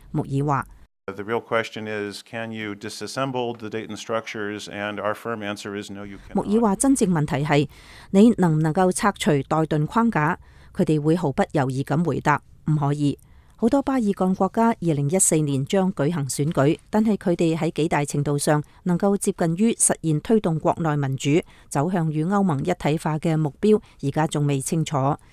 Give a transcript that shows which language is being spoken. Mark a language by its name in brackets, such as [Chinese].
[Chinese] 穆尔说， [English] The real question is, can you disassemble the Dayton structures? And our firm answer is no, you cannot. [Chinese] 穆尔说，真正问题是，你能不能够拆除代顿框架？他们会毫不犹豫地回答，不可以。很多巴爾干國家2014年將舉行選舉，但是他們在幾大程度上能夠接近於實現推動國內民主、走向與歐盟一體化的目標，現在還未清楚。